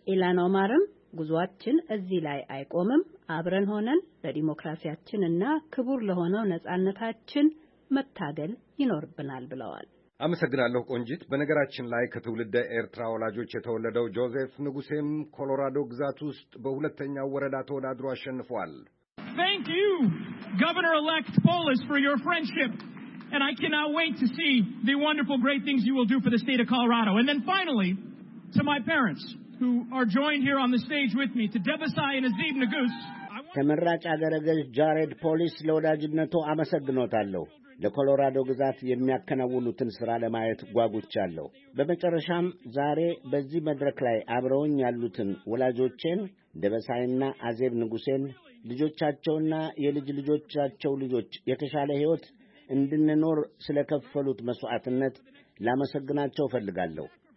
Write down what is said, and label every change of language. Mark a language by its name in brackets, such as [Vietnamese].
[Amharic] ኢላና ማርም ጉዟችን እዚህ ላይ አይቆምም፣ አብረን ሆነን ለዲሞክራሲያችንና ክብር ለሆነው ነጻነታችን መታገል ይኖርብናል ብለዋል። አመሰግናለሁ ቆንጂት። በነገራችን ላይ ከትውልደ ኤርትራ ወላጆች የተወለደው ጆዜፍ ንጉሴም ኮሎራዶ ግዛት ውስጥ በሁለተኛው ወረዳ ተወዳድሮ አሸንፏል። [English] Thank you, Governor-elect Polis, for your friendship. And I cannot wait to see the wonderful great things you will do for the state of Colorado. And then finally, to my parents, who are joined here on the stage with me, to Debasai and Azeb Nagus. [Amharic] ተመራጭ አገረገዝ ጃሬድ ፖሊስ ለወዳጅነቱ አመሰግኖታለሁ። ለኮሎራዶ ግዛት የሚያከናውኑትን ስራ ለማየት ጓጉቻለሁ። በመጨረሻም ዛሬ በዚህ መድረክ ላይ አብረውኝ ያሉትን ወላጆቼን ደበሳይና አዜብ ንጉሴን ልጆቻቸውና የልጅ ልጆቻቸው ልጆች የተሻለ ህይወት እንድንኖር ስለከፈሉት መስዋዕትነት ላመሰግናቸው ፈልጋለሁ።